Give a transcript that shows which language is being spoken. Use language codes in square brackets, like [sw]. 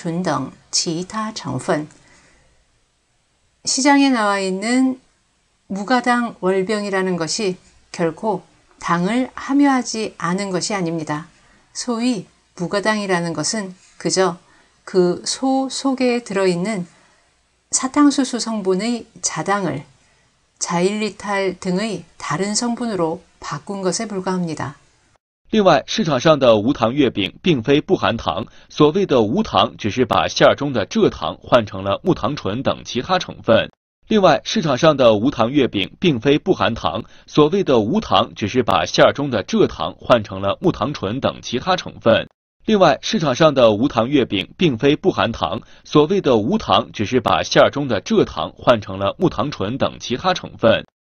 [zh] 所谓的无糖只是把馅儿中的蔗糖换成了木糖醇等其他成分。 [ko] 시장에 나와 있는 무가당 월병이라는 것이 결코 당을 함유하지 않은 것이 아닙니다. 소위 무가당이라는 것은 그저 그 소 속에 들어있는 사탕수수 성분의 자당을 자일리탈 등의 다른 성분으로 바꾼 것에 불과합니다. [zh] 另外，市场上的无糖月饼并非不含糖。所谓的无糖，只是把馅儿中的蔗糖换成了木糖醇等其他成分。